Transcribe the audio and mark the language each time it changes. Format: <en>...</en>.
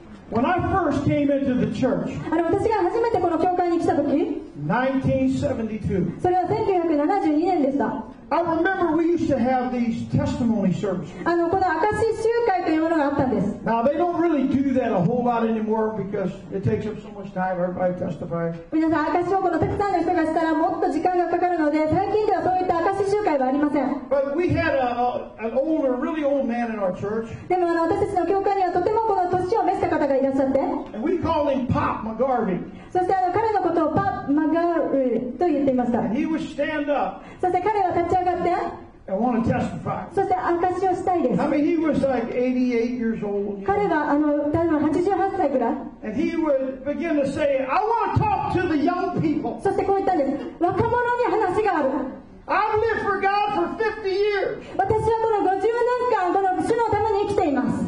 <en>When I first came into the church,</en> <ja>私が初めてこの教会に来た時</ja> <en>1972.</en> <ja>それは1972年でした。</ja> <en>I remember we used to have these testimony services.</en> <ja>この証集会というものがあったんです。</ja> <en>Now they don't really do that a whole lot anymore because it takes up so much time. Everybody testifies.</en> <ja>皆さん、証証このたくさんの人がしたらもっと時間がかかるので、最近ではそういった証集会はありません。</ja> <en>But we had an older, really old man in our church.</en> <ja>でも私たちの教会にはとてもこの年を召した方がいらっしゃって。</ja> <en>And we called him Pop McGarvey.</en> <ja>そして彼のことをパッマガウと言っていました。</ja> <en>And he would stand up</en> <ja>そして彼は立ち上がって、</ja> <en>and want to testify.</en> <ja>そして証しをしたいです。</ja> <en>I mean, he was like 88 years old,</en> <ja>彼は88歳くらい。</ja> <en>And he would begin to say, I want to talk to the young people.</en> <ja>そしてこう言ったんです。若者に話がある。</ja> <en>I've lived for God for 50 years.</en> <ja>私はこの50年間、この主のために生きています。</ja>